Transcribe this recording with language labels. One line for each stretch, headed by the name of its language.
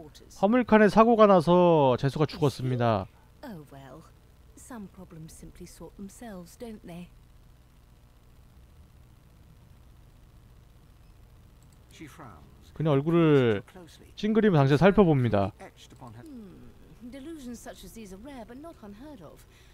Korean: 화물칸에 사고가 나서 제수가 죽었습니다.
English: Oh well, some problems simply sort themselves, don't they? She frowns.
Korean: 그녀 얼굴을 찡그리며 당시 살펴봅니다.
English: Delusions such as these are rare, but not unheard of.